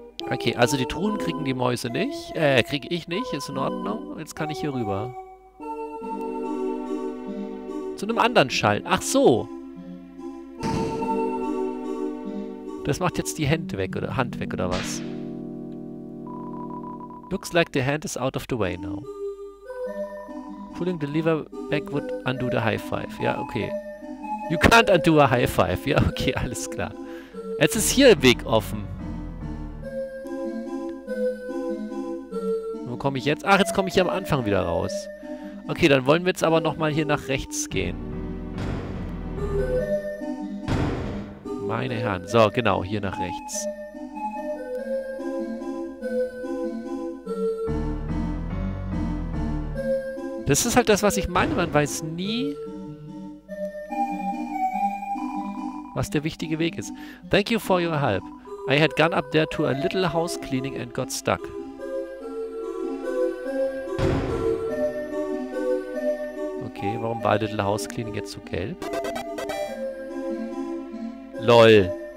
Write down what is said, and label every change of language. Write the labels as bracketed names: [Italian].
[German] Okay, also die Truhen kriegen die Mäuse nicht. Kriege ich nicht, ist in Ordnung. Jetzt kann ich hier rüber. Zu einem anderen Schall. Ach so. Das macht jetzt die Hand weg oder was? [English] Looks like the hand is out of the way now. Pulling the lever back would undo the high five. [German] Ja, okay. [English] You can't undo a high five. [German] Ja, okay, alles klar. Jetzt ist hier ein Weg offen. Wo komme ich jetzt? Ach, jetzt komme ich hier am Anfang wieder raus. Okay, dann wollen wir jetzt aber nochmal hier nach rechts gehen. Meine Herren. So, genau, hier nach rechts. Das ist halt das, was ich meine. Man weiß nie, was der wichtige Weg ist. [English] Thank you for your help. I had gone up there to a little house cleaning and got stuck. [German] Okay, warum war Little House Cleaning jetzt so gelb? LOL.